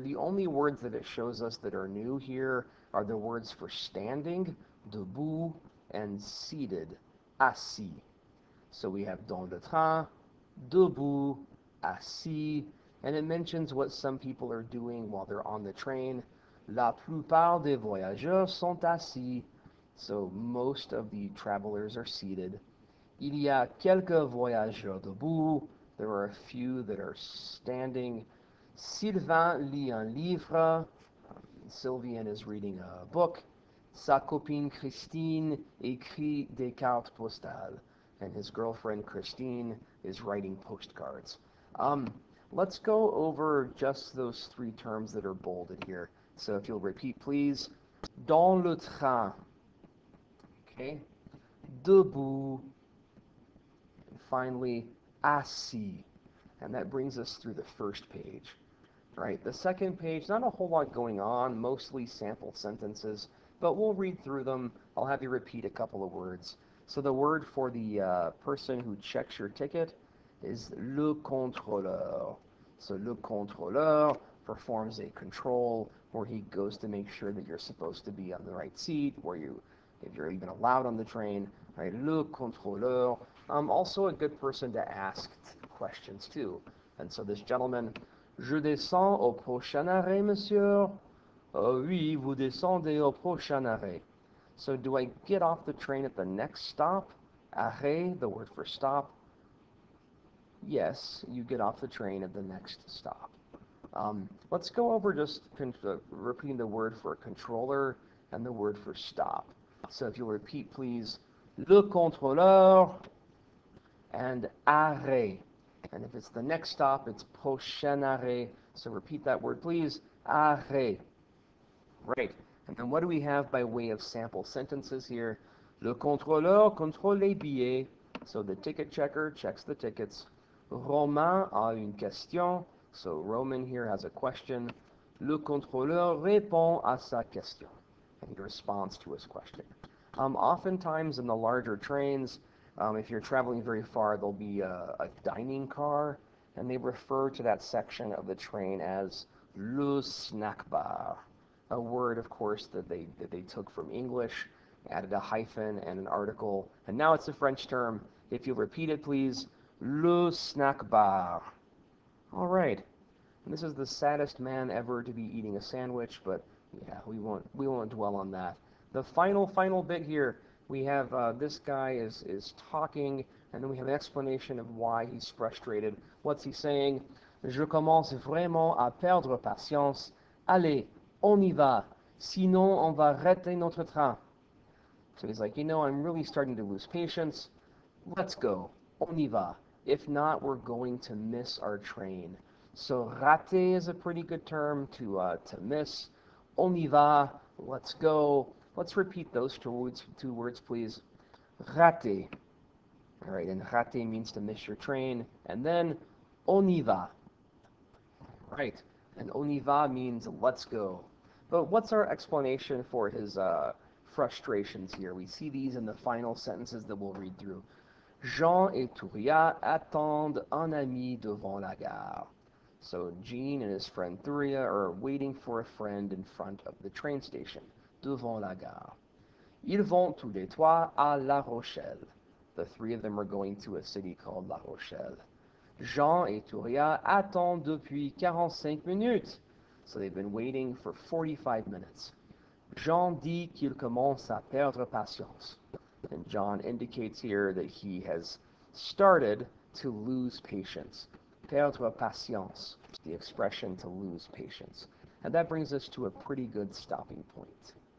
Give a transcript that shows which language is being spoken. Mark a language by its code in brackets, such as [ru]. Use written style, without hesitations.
[en] The only words that it shows us that are new here are the words for standing, debout, and seated, assis. So we have [fr] dans le train, [en] debout, assis, and it mentions what some people are doing while they're on the train. [fr] La plupart des voyageurs sont assis. [en] So most of the travelers are seated. [fr] Il y a quelques voyageurs debout. [en] There are a few that are standing. [fr] Sylvain lit un livre. [en] Sylvian is reading a book. [fr] Sa copine Christine écrit des cartes postales. [en] And his girlfriend Christine is writing postcards. Let's go over just those three terms that are bolded here. So if you'll repeat, please. [fr] Dans le train. [en] Okay. [fr] Debout. [en] Finally, assis. And that brings us through the first page. All right, the second page, not a whole lot going on, mostly sample sentences, but we'll read through them. I'll have you repeat a couple of words. So the word for the person who checks your ticket is le contrôleur. So le contrôleur performs a control where he goes to make sure that you're supposed to be on the right seat, where you, if you're even allowed on the train, right? Le contrôleur. Also a good person to ask questions too. And so this gentleman, [fr] je descends au prochain arrêt, monsieur. Oui, vous descendez au prochain arrêt. [en] So do I get off the train at the next stop? Arrêt, the word for stop. Yes, you get off the train at the next stop. Let's go over just repeating the word for controller and the word for stop. So if you'll repeat, please, le contrôleur. And arrêt. And if it's the next stop, it's prochain arrêt. So repeat that word, please. Arrêt. Right. And then what do we have by way of sample sentences here? [fr] Le contrôleur contrôle les billets. [en] So the ticket checker checks the tickets. [fr] Romain a une question. [en] So Roman here has a question. [fr] Le contrôleur répond à sa question. [en] And he responds to his question. Oftentimes in the larger trains, if you're traveling very far, there'll be a dining car, and they refer to that section of the train as Le snack bar, a word, of course, that they took from English, added a hyphen and an article, and now it's a French term. If you'll repeat it, please. Le snack bar. All right. And this is the saddest man ever to be eating a sandwich, but yeah, we won't dwell on that. The final bit here, we have this guy is talking, and then we have an explanation of why he's frustrated. What's he saying? [fr] Je commence vraiment à perdre patience. Allez, on y va. Sinon, on va rater notre train. [en] So he's like, I'm really starting to lose patience. Let's go. [fr] On y va. [en] If not, we're going to miss our train. So rater is a pretty good term to miss. [fr] On y va. [en] Let's go. Let's repeat those two words, please. Rater. All right, and rater means to miss your train. And then, on y va. Right, and on y va means let's go. But what's our explanation for his frustrations here? We see these in the final sentences that we'll read through. [fr] Jean et Touria attendent un ami devant la gare. [en] So Jean and his friend Touria are waiting for a friend in front of the train station, [fr] devant la gare. Ils vont tous les trois à La Rochelle. [en] The three of them are going to a city called La Rochelle. [fr] Jean et Touria attendent depuis 45 minutes. [en] So they've been waiting for 45 minutes. [fr] Jean dit qu'il commence à perdre patience. [en] And Jean indicates here that he has started to lose patience. [fr] Perdre patience, [en] the expression to lose patience. And that brings us to a pretty good stopping point.